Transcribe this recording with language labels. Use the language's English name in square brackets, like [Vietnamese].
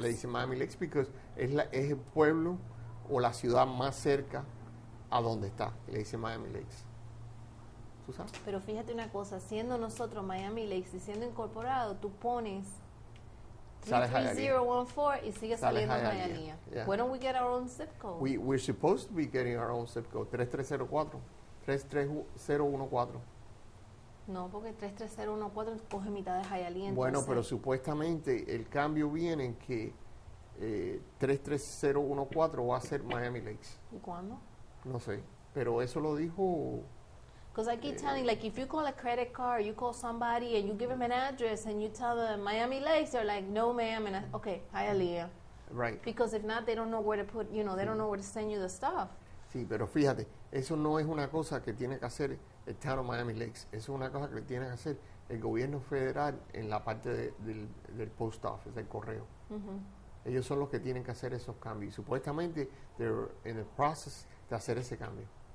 [Spanish] Le dicen Miami Lakes porque es el pueblo o la ciudad más cerca a donde está. Le dicen Miami Lakes. ¿Tú sabes? Pero fíjate una cosa, siendo nosotros Miami Lakes y siendo incorporado, tú pones 33014 y sigue saliendo Hialeah. [English] Miami. Yeah. When don't we get our own zip code? We're supposed to be getting our own zip code. 3304. 33014. [Spanish] No, porque 33014 coge mitad de Hialeah. Entonces. Bueno, pero supuestamente el cambio viene en que 33014 va a ser Miami Lakes. ¿Y cuándo? No sé, pero eso lo dijo. [English] Because I keep telling, like, if you call a credit card, you call somebody and you give them an address and you tell them Miami Lakes, they're like, no, ma'am, and I, okay, Hialeah. Right. Because if not, they don't know where to put, you know, they don't know where to send you the stuff. [Spanish] Sí, pero fíjate, eso no es una cosa que tiene que hacer el Town of Miami Lakes. Eso es una cosa que tiene que hacer el gobierno federal en la parte del post office, del correo. Uh-huh. Ellos son los que tienen que hacer esos cambios. Supuestamente, [English] they're in the process [Spanish] de hacer ese cambio.